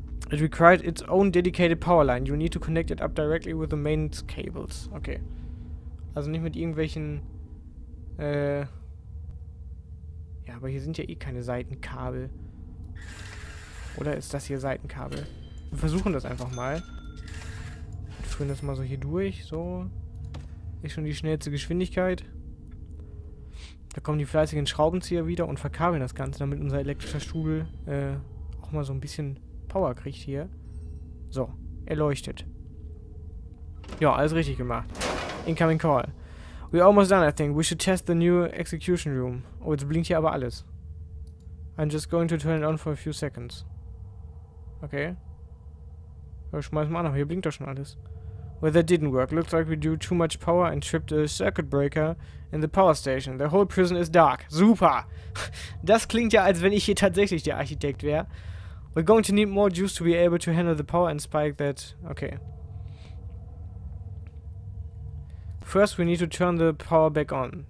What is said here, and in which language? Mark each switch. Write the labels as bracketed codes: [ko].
[en] It required its own dedicated power line. You need to connect it up directly with the main cables. [de] Okay. Also nicht mit irgendwelchen... Ja, aber hier sind ja eh keine Seitenkabel. Oder ist das hier Seitenkabel? Wir versuchen das einfach mal. Wir führen das mal so hier durch. So. Ist schon die schnellste Geschwindigkeit. Da kommen die fleißigen Schraubenzieher wieder und verkabeln das Ganze, damit unser elektrischer Stuhl auch mal so ein bisschen Power kriegt hier. So. Er leuchtet. Ja, alles richtig gemacht. [en] Incoming call. We're almost done, I think. We should test the new execution room. [de] Oh, jetzt blinkt hier aber alles. [en] I'm just going to turn it on for a few seconds. Okay. [de] Schmeiß mal an, hier blinkt doch schon alles. [en] Well, that didn't work. Looks like we drew too much power and tripped a circuit breaker in the power station. The whole prison is dark. Super! [de] Das klingt ja, als wenn ich hier tatsächlich der Architekt wäre. [en] We're going to need more juice to be able to handle the power and spike that... Okay. First, we need to turn the power back on.